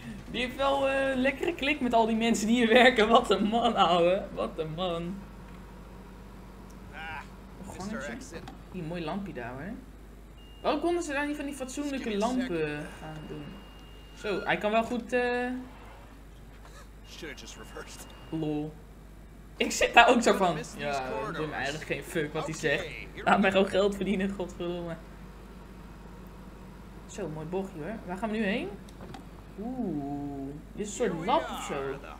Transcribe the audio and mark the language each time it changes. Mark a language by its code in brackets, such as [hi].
[nl] Die heeft wel een lekkere klik met al die mensen die hier werken. Wat een man, ouwe. Wat een man. [en] Ah, Mr. Exit. [nl] Hier, een mooi lampje daar, hè. Waarom konden ze daar niet van die fatsoenlijke lampen gaan doen? Zo, hij kan wel goed, [en] Should have just reversed. [nl] Lol. Ik zit daar ook zo van. Ja, ik doe hem eigenlijk geen fuck wat hij zegt. Laat mij gewoon geld verdienen, godverdomme. Zo, mooi bochtje, hoor. Waar gaan we nu heen? Oeh, dit is een soort lab of zo.